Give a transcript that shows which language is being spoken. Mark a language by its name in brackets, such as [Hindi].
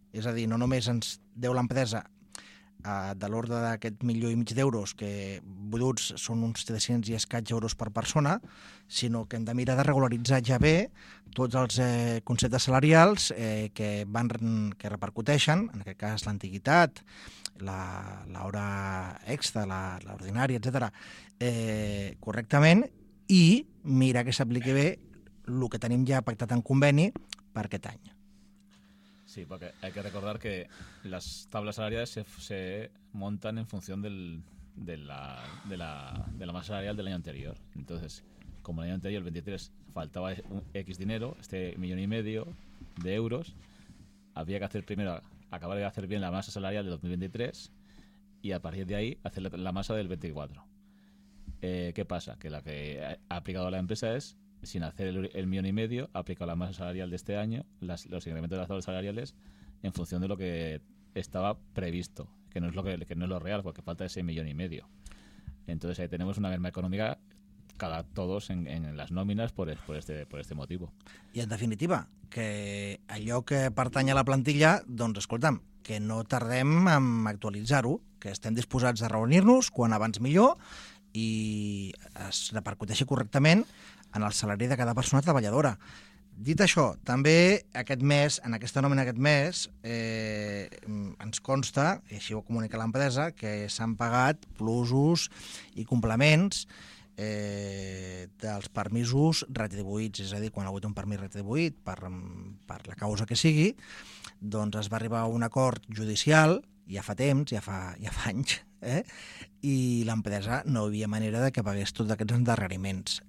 [Catalan] És a dir, no només ens deu l'empresa de l'ordre d'aquest milió i mig d'euros, que bruts són uns 300 i escaig euros per persona, sinó que hem de mirar de regularitzar ja bé tots els conceptes salarials que repercuteixen, en aquest cas l'antiguitat, l'hora extra, l'ordinària, etc., correctament, i mirar que s'apliqui bé el que tenim ja pactat en conveni per aquest any. [Spanish] Sí, porque hay que recordar que las tablas salariales se montan en función de la masa salarial del año anterior. Entonces, como el año anterior, el 23, faltaba un X dinero, este millón y medio de euros, había que hacer primero acabar de hacer bien la masa salarial del 2023 y a partir de ahí hacer la masa del 24. ¿Qué pasa? Que la que ha aplicado la empresa es, sin hacer el millón y medio, ha aplicado la masa salarial de este año, los incrementos de las tablas salariales, en función de lo que estaba previsto, que no es lo real, porque falta ese millón y medio. Entonces ahí tenemos una merma económica cada todos en las nóminas por este motivo. Y en definitiva, que [Catalan] allò que pertany a la plantilla, doncs escolta'm, que no tardem en actualitzar-ho, que estem disposats a reunir-nos quan abans millor i es repercuteixi correctament en el salari de cada persona treballadora. Dit això, també aquest mes, en aquesta nòmina aquest mes, ens consta, i així ho comunica l'empresa, que s'han pagat plusos i complements dels permisos retribuïts, és a dir, quan ha hagut un permís retribuït per la causa que sigui, doncs es va arribar a un acord judicial, ja fa temps, ja fa anys, i l'empresa no havia manera de que pagués tots aquests endarreriments.